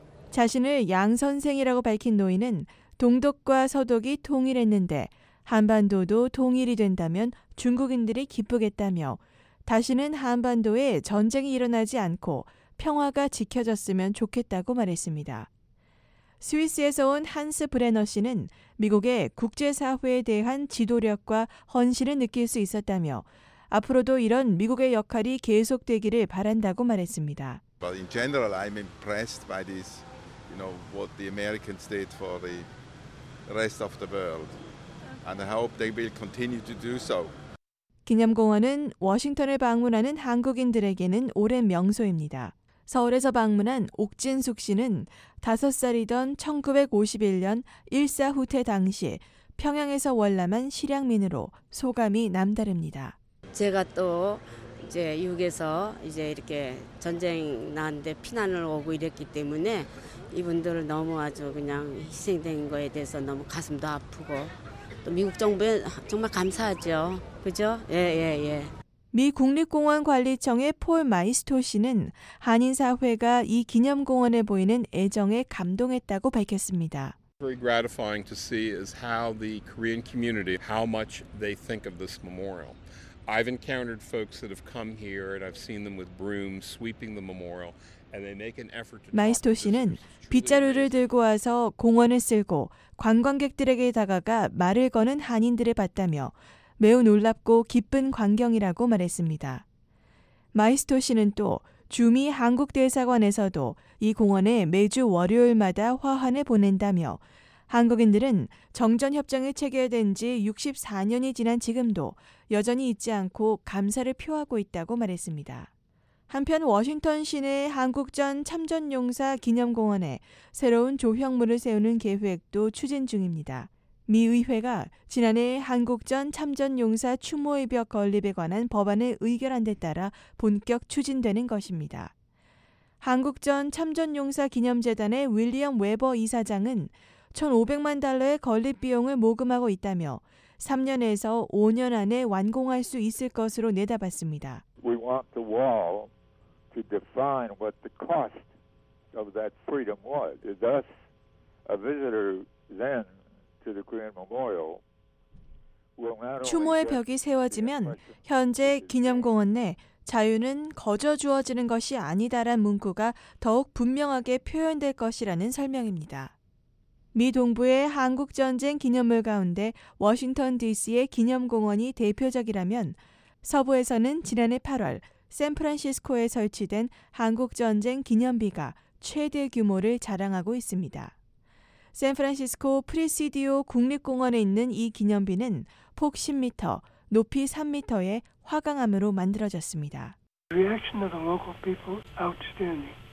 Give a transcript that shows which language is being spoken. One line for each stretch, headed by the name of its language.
Korean: 자신을 양 선생이라고 밝힌 노인은 동독과 서독이 통일했는데 한반도도 통일이 된다면 중국인들이 기쁘겠다며 다시는 한반도에 전쟁이 일어나지 않고 평화가 지켜졌으면 좋겠다고 말했습니다. 스위스에서 온 한스 브레너 씨는 미국의 국제사회에 대한 지도력과 헌신을 느낄 수 있었다며 앞으로도 이런 미국의 역할이 계속되기를 바란다고 말했습니다.
English: But in general, I'm impressed by this, you know, what the Americans did for the rest of the world. And I hope they will continue to do so.
Korean: 기념공원은 워싱턴을 방문하는 한국인들에게는 오랜 명소입니다. 서울에서 방문한 옥진숙 씨는 5살이던 1951년 일사 후퇴 당시 평양에서 월남한 실향민으로 소감이 남다릅니다. 제가 또 이제 6에서 이제 이렇게 전쟁 나는데 피난을 오고 이랬기 때문에 이분들을 너무 아주 그냥 희생된 거에 대해서 너무 가슴도 아프고 또 미국 정부에 정말 감사하죠. 그죠? 예. 미 국립공원관리청의 폴 마이스토 씨는 한인사회가 이 기념공원에 보이는 애정에 감동했다고 밝혔습니다.
English: Very gratifying to see is how the Korean community, how much they think of this memorial. I've encountered folks that have come here and I've seen them with brooms sweeping the memorial.
Korean: 마이스토 씨는 빗자루를 들고 와서 공원을 쓸고 관광객들에게 다가가 말을 거는 한인들을 봤다며 매우 놀랍고 기쁜 광경이라고 말했습니다. 마이스토 씨는 또 주미 한국대사관에서도 이 공원에 매주 월요일마다 화환을 보낸다며 한국인들은 정전협정이 체결된 지 64년이 지난 지금도 여전히 잊지 않고 감사를 표하고 있다고 말했습니다. 한편 워싱턴 시내 한국전 참전용사 기념공원에 새로운 조형물을 세우는 계획도 추진 중입니다. 미 의회가 지난해 한국전 참전용사 추모의 벽 건립에 관한 법안을 의결한 데 따라 본격 추진되는 것입니다. 한국전 참전용사 기념재단의 윌리엄 웨버 이사장은 1,500만 달러의 건립 비용을 모금하고 있다며 3년에서 5년 안에 완공할 수 있을 것으로 내다봤습니다.
English: We want the wall to define what the cost of that freedom was. Thus, a visitor then to the Korean Memorial will not only.
Korean: 추모의 벽이 세워지면 현재 기념공원 내 자유는 거저 주어지는 것이 아니다란 문구가 더욱 분명하게 표현될 것이라는 설명입니다. 미 동부의 한국 전쟁 기념물 가운데 워싱턴 D.C.의 기념공원이 대표적이라면. 서부에서는 지난해 8월 샌프란시스코에 설치된 한국전쟁 기념비가 최대 규모를 자랑하고 있습니다. 샌프란시스코 프리시디오 국립공원에 있는 이 기념비는 폭 10m, 높이 3m의 화강암으로 만들어졌습니다.
English: The reaction of the local people is outstanding.